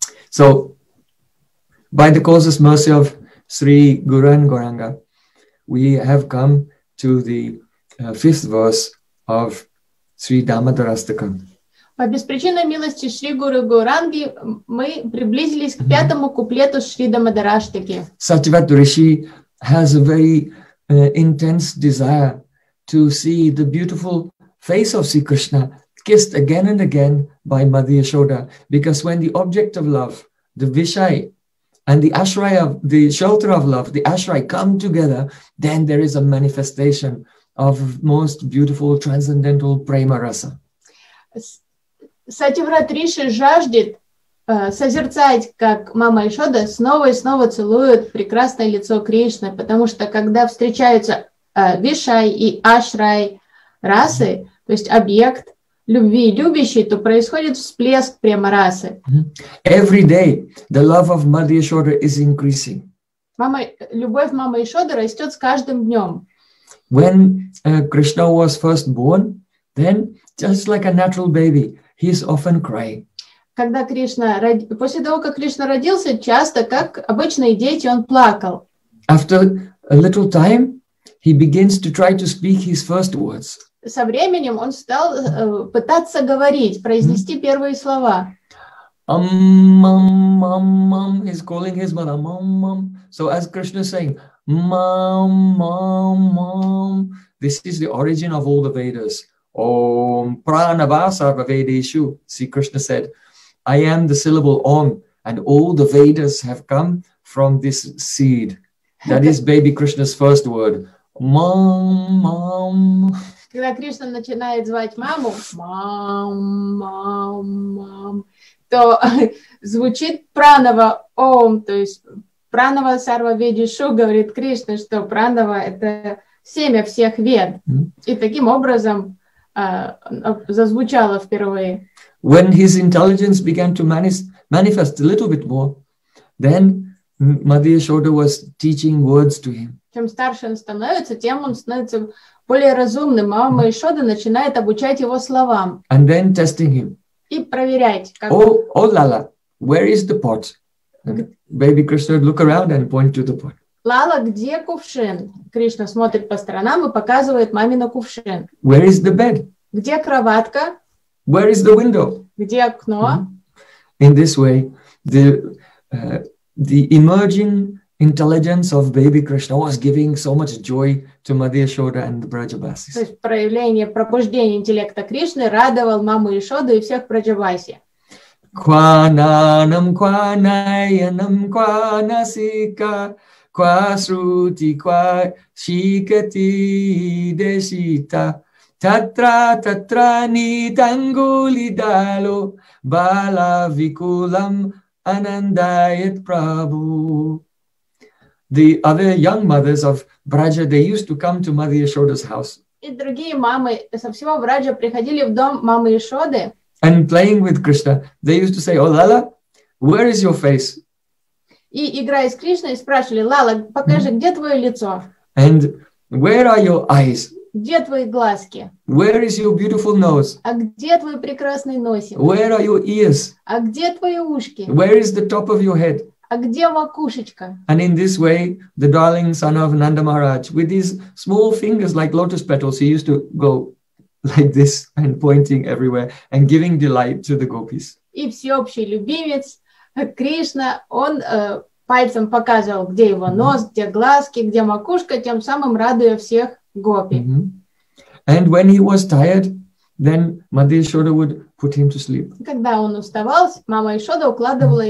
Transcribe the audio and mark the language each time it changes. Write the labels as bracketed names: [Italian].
[English] So, by the causeless mercy of Sri Guran Goranga, we have come to the fifth verse of Sri Dhammadarashtakam. [Russian] По беспричинной милости Шри Гуру Гуранги мы приблизились к пятому куплету Шри Дхаммадараштаки. [English] Сатьяврата Риши has a very intense desire to see the beautiful face of Sri Krishna kissed again and again by Mother Yashoda. Because when the object of love, the Vishai, and the ashray of the shelter of love, the ashray, come together, then there is a manifestation of most beautiful transcendental prema rasa. [Russian] Сатьяврат Риши жаждет созерцать, как мама Ишода снова и снова целует прекрасное лицо Кришны, потому что когда встречаются Вишай и Ашрай расы, то есть объект любви любящей, то происходит всплеск према расы. [English] Every day the love of Mother Ishoda is increasing. [Russian] Любовь мамы Ишоды растет с каждым днем. [English] When Krishna was first born, then just like a natural baby, he is often crying. [Russian] Когда Кришна после того, как Кришна родился, часто, как обычные дети, он плакал. [English] After a little time, he begins to try to speak his first words. [Russian] Со временем он стал пытаться говорить, произнести первые слова. [English] Mom, he's calling his mother, mom. So as Krishna is saying, mom, this is the origin of all the Vedas. [Sanskrit] Om pranavasarva vedeshu. [English] See, Krishna said, I am the syllable Om, and all the Vedas have come from this seed. That is baby Krishna's first word. Mom. [Russian] Когда Кришна начинает звать маму, мам, то звучит пранава ом, то есть [Sanskrit] пранава сарва ведишу, [Russian] говорит Кришна, что пранава — это семя всех вед. И таким образом зазвучало впервые. [English] When his intelligence began to manifest a little bit more, then Madhya Yashoda was teaching words to him. [Russian] Чем старше он становится, тем он становится более разумным. Мама Ишода начинает обучать его словам. [English] And then testing him. [Russian] И проверять. [English] Как... Oh, Lala, where is the pot? Baby Krishna would look around and point to the pot. [Russian] Lala, где кувшин? Кришна смотрит по сторонам и показывает маме на кувшин. [English] Where is the bed? [Russian] Где кроватка? [English] Where is the window? [Russian] Где окно? Mm-hmm. [English] In this way, the emerging intelligence of baby Krishna was giving so much joy to Madhya Yashoda and the Brajavasis. [Russian] То есть проявление пробуждения интеллекта Кришны радовал маму Ишоду и всех Браджаваси. [Sanskrit] Кванам кванаянам кванасика ква срути ква шикати дешита татра татра нитангули дало бала викулам анандает прабу. [English] The other young mothers of Braja, they used to come to Madhya Yashoda's house. [Russian] И другие мамы со всего Браджа приходили в дом мамы Ишоды. [English] And playing with Krishna, they used to say, "Oh Lala, where is your face?" [Russian] И играя с Кришной, спрашивали: "Лала, покажи, где твое лицо?" [English] And where are your eyes? [Russian] Где твои глазки? [English] Where is your beautiful nose? [Russian] А где твой прекрасный носик? [English] Where are your ears? [Russian] А где твои ушки? [English] Where is the top of your head? [Russian] А где макушечка? [English] And in this way, the darling son of Nanda Maharaj, with his small fingers like lotus petals, he used to go like this and pointing everywhere and giving delight to the gopis. [Russian] И всеобщий любимец Кришна, он пальцем показывал, где его нос, mm-hmm. где глазки, где макушка, тем самым радуя всех гопи. Mm-hmm. [English] And when he was tired, then Madhya Yashoda would put him to sleep. [Russian] Когда он уставал, мама Ишода укладывала mm-hmm.